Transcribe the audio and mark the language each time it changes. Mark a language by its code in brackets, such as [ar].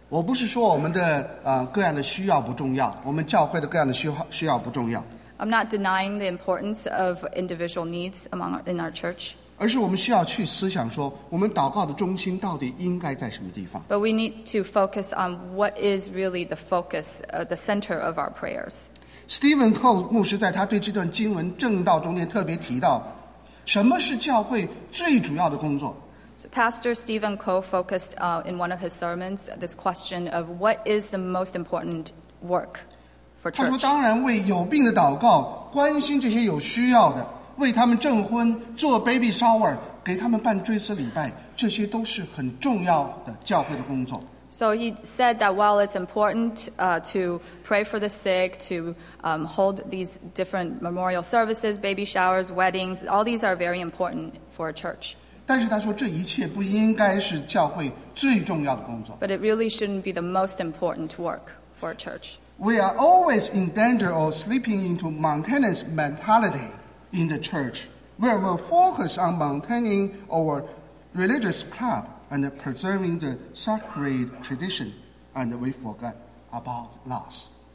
[zh] 我不是说我们的各样的需要不重要，我们教会的各样的需要不重要。 [en] I'm not denying the importance of individual needs in our church. [zh] 而是我们需要去思想说，我们祷告的中心到底应该在什么地方。 [en] But we need to focus on what is really the focus, the center of our prayers. [zh] Stephen Cole 牧师在他对这段经文正道中间特别提到，什么是教会最主要的工作？ [en] So Pastor Stephen Koh focused in one of his sermons this question of what is the most important work for church. [zh] 他说当然为有病的祷告，关心这些有需要的，为他们证婚、做baby shower，给他们办追思礼拜，这些都是很重要的教会的工作。 [en] So he said that while it's important to pray for the sick, to hold these different memorial services, baby showers, weddings, all these are very important for a church. [zh] 但是他说这一切不应该是教会最重要的工作。 [en] But it really shouldn't be the most important work for a church. We are always in danger of slipping into maintenance mentality in the church, where we focus on maintaining our religious club and preserving the sacred tradition, and we forget about loss.